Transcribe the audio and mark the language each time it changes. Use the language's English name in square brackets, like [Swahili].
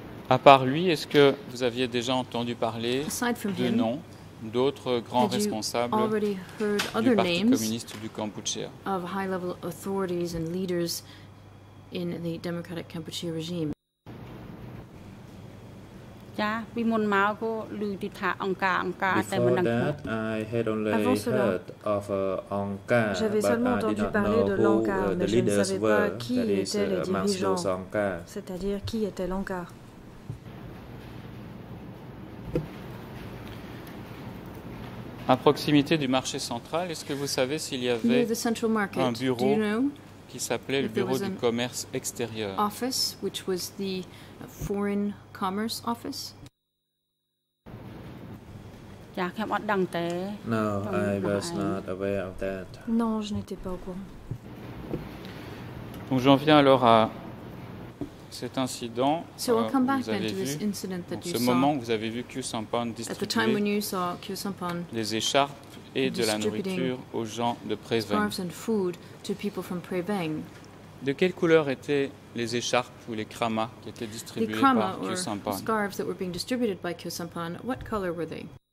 [French] À part lui, est-ce que vous aviez déjà entendu parler de noms d'autres grands responsables du Parti communiste du Kampuchea? [English] Of high-level authorities and leaders in the Democratic Kampuchea regime? Before that, I had only heard of Onka, but I did not know who the leaders were, that is, amongst those Onka. [French] C'est-à-dire qui était l'Onka? À proximité du marché central, est-ce que vous savez s'il y avait un bureau qui s'appelait le bureau du commerce extérieur? [English] Office, which was the foreign commerce office? No, I was not aware of that. [French] Non, je n'étais pas au courant. Donc j'en viens alors à cet incident, [English] so we'll come back then to this incident that you saw. [French] Ce moment où vous avez vu Kyusampan distribuer des écharpes et de la nourriture aux gens de Preveng. [English] Scarves and food to people from Preveng. [French] De quelle couleur étaient les écharpes ou les kramas qui étaient distribués [English] the krama [French] par Kyusampan? [English] Or scarves that were being distributed by Kyusampan, what color were they?